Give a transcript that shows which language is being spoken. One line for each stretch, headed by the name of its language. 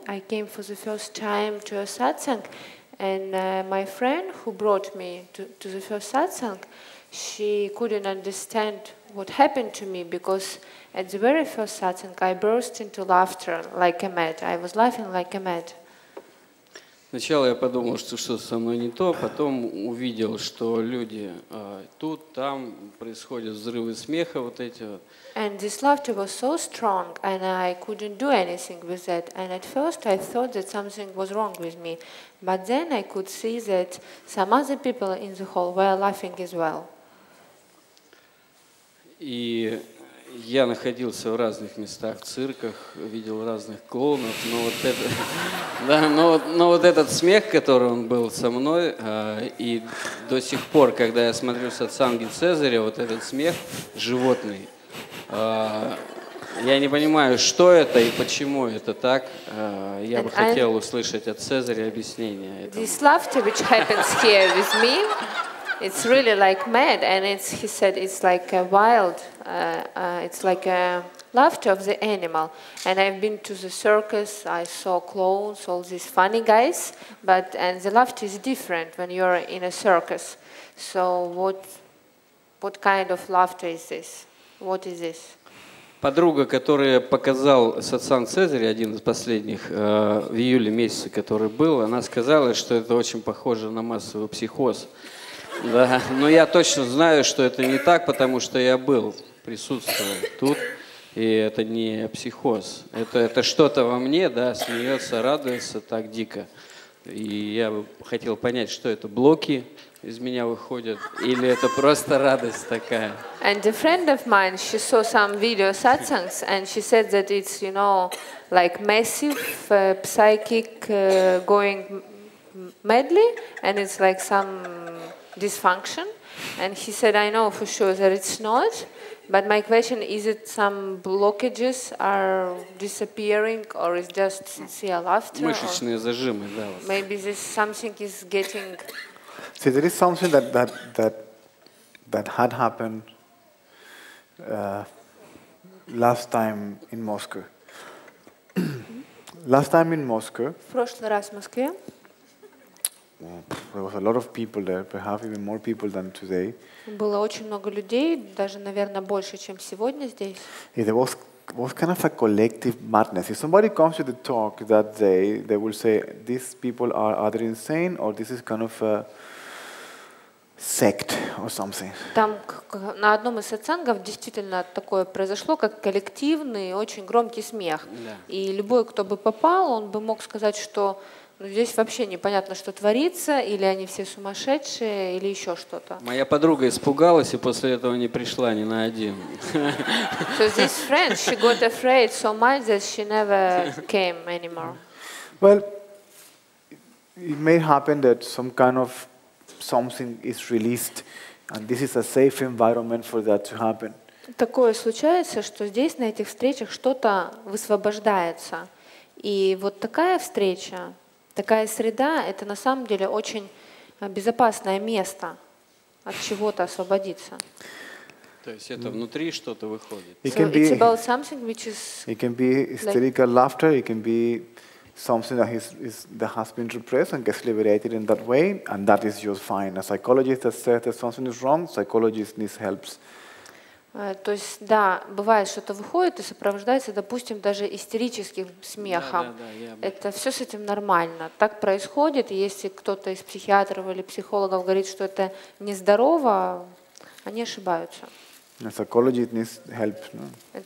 English: I came for the first time to a satsang, and my friend who brought me to the first satsang, she couldn't understand what happened to me, because at the very first satsang I burst into laughter like a mad. I was laughing like a mad.
Russian: Сначала я подумал, что что-то со мной не то, потом увидел, что люди тут, там, происходят взрывы смеха вот эти вот.
English: And this laughter was so strong, and I couldn't do anything with that. And at first I thought that something was wrong with me. But then I could see that some other people in the hall were laughing as well.
Russian: И я находился в разных местах, в цирках, видел разных клоунов, но вот это, да, но вот этот смех, который он был со мной, и до сих пор, когда я смотрю сатсанги Цезаря, вот этот смех животный, я не понимаю, что это и почему это так. Я бы хотел услышать от Цезаря объяснение этому.
English: This laughter, which happens here with me, it's really like mad, and it's, he said, it's like a wild, it's like a laughter of the animal. And I've been to the circus, I saw clowns, all these funny guys, but, and the laughter is different when you're in a circus. So what kind of laughter is this? What is this?
Russian: Подруга, которая показал сатсанг Цезаря, один из последних в июле месяце, который был, она сказала, что это очень похоже на массовый психоз. Да, но я точно знаю, что это не так, потому что я был, присутствовал тут, и это не психоз. Это что-то во мне, да, смеется, радуется так дико. И я бы хотел понять, что это блоки из меня выходят, или это просто радость такая.
English: And a friend of mine, she saw some video satsangs, and she said that it's, you know, like massive psychic going madly, and it's like some dysfunction, and he said, I know for sure that it's not, but my question is, it some blockages are disappearing, or is just sincere laughter?
Russian: Мышечные зажимы, да.
English: Maybe this something is getting. See, there is something that had happened last time in Moscow. Last time in Moscow.
Russian: В прошлый раз в Москве.
English: There was a lot of people there, perhaps even more people than today.
Russian: Было очень много людей, даже, наверное, больше, чем сегодня здесь.
English: It was kind of a collective madness. If somebody comes to the talk that day, they will say, these people are either insane, or this is kind of a sect or something.
Russian: Там на одном из сатсангов действительно такое произошло, как коллективный очень громкий смех. И любой, кто бы попал, он бы мог сказать, что здесь вообще непонятно, что творится, или они все сумасшедшие, или еще что-то. Моя подруга испугалась и после этого не пришла ни на один.
English: So this friend, she got afraid so much that she never came anymore. Well, it may happen that some kind of something is released, and this is a safe environment for that to happen.
Russian: Такое случается, что здесь на этих встречах что-то высвобождается, и вот такая встреча. Такая среда — это на самом деле очень безопасное место от чего-то освободиться. То есть это внутри что-то выходит.
English: It can be, it's about something which is. It can be hysterical like, laughter. It can be something that is that has been repressed and gets liberated in that way, and that is just fine. A psychologist that says that something is wrong, psychologist needs help.
Russian: То есть, да, бывает, что-то выходит и сопровождается, допустим, даже истерическим смехом. Да, это все с этим нормально. Так происходит, и если кто-то из психиатров или психологов говорит, что это нездорово, они ошибаются.
English: Psychology needs help, no?